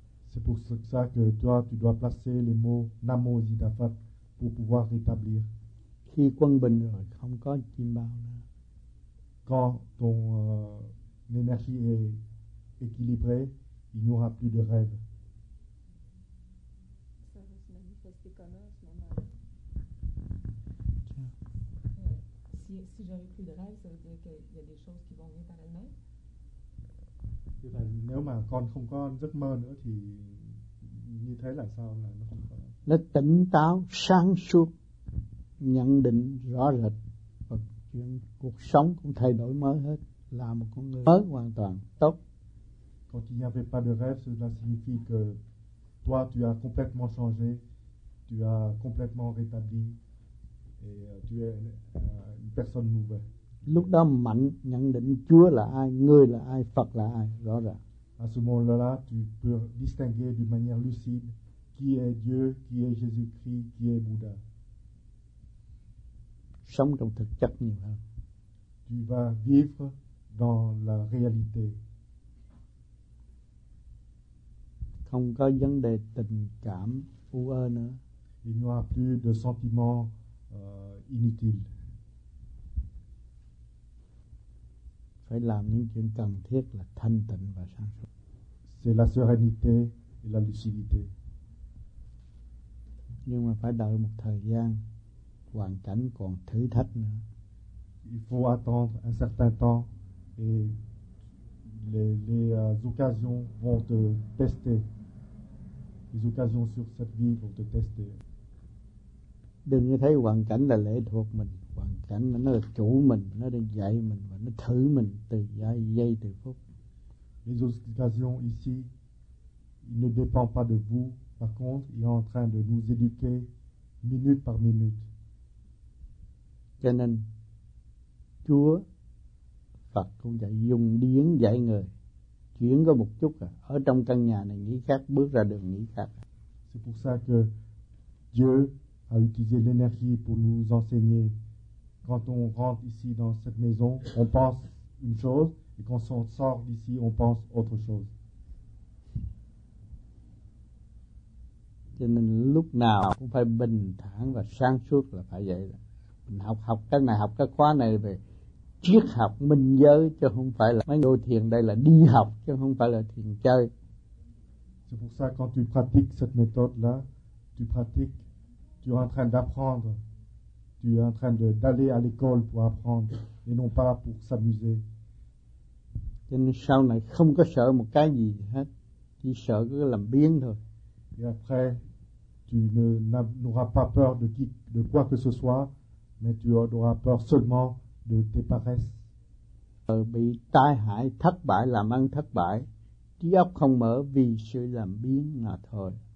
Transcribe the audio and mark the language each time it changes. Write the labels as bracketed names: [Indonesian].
[French] C'est pour ça que toi, tu dois placer les mots Namo Amida Phật pour pouvoir rétablir. [Vietnamese] Khi quân bình rồi, không có chim bao nữa. [French] Quand ton énergie est équilibrée, il n'y aura plus de rêve. Ça va se manifester comment en ce moment? Si j'avais plus de rêve, ça veut dire qu'il y a des choses qui vont venir par elles-mêmes? [Vietnamese] Nếu mà con không có giấc mơ nữa thì như thế là sao? Là nó không có. Nó tỉnh táo, sáng suốt, nhận định rõ rệt và chuyện cuộc sống cũng thay đổi mới hết, là một con người mới hoàn toàn, tốt. [French] Quand il n'y avait pas de rêve, cela signifie que toi, tu as complètement changé, tu as complètement rétabli et tu es une personne nouvelle. [Vietnamese] Lúc đó mạnh, nhận định Chúa là ai, người là ai, Phật là ai, rõ ràng. [French] À ce moment-là, tu peux distinguer d'une manière lucide qui est Dieu, qui est Jésus-Christ, qui est Bouddha. [Vietnamese] Sống trong thực chất nhiều hơn. [French] Tu vas vivre dans la réalité. [Vietnamese] Không có vấn đề tình cảm u ơ nữa. [French] Il n'y aura plus de sentiments inutiles. [Vietnamese] Phải làm những chuyện cần thiết là thanh tịnh và sáng suốt. [French] C'est la sérénité et la lucidité. [Vietnamese] Nhưng mà phải đợi một thời gian, hoàn cảnh còn thử thách nữa. [French] Il faut attendre un certain temps et les occasions vont te tester. Les occasions sur cette vie vont te tester. [Vietnamese] Đừng thấy hoàn cảnh là lệ thuộc mình, hoàn cảnh nó là chủ mình, nó đang dạy mình và nó thử mình từ giây từ phút. [French] Les occasions ici, ils ne dépendent pas de vous. Par contre, il est en train de nous éduquer minute par minute. [Vietnamese] Cho nên, Chúa, Phật cũng dạy dùng điển dạy người, chuyển có một chút à, ở trong căn nhà này nghĩ khác, bước ra đường nghĩ khác. [French] C'est pour ça que Dieu a utilisé l'énergie pour nous enseigner. Quand on rentre ici dans cette maison, on pense une chose, et quand on sort d'ici, on pense autre chose. [Vietnamese] Cho nên lúc nào cũng phải bình thản và sáng suốt là phải vậy. Mình học học cái này, học cái khóa này về triết học minh giới, chứ không phải là mấy vô thiền đây là đi học, chứ không phải là thiền chơi. [French] C'est pour ça que quand tu pratiques cette méthode-là, tu pratiques, tu es en train d'apprendre, tu es en train de, d'aller à l'école pour apprendre et non pas pour s'amuser. [Vietnamese] Cho nên sau này không có sợ một cái gì hết, chỉ sợ cứ làm biến thôi. [French] Et après, tu ne, n'auras pas peur de, qui, de quoi que ce soit, mais tu auras peur seulement de tes paresses. [Vietnamese] Bị tai hại, thất bại, làm ăn thất bại. Trí óc không mở vì sự làm biến mà thôi.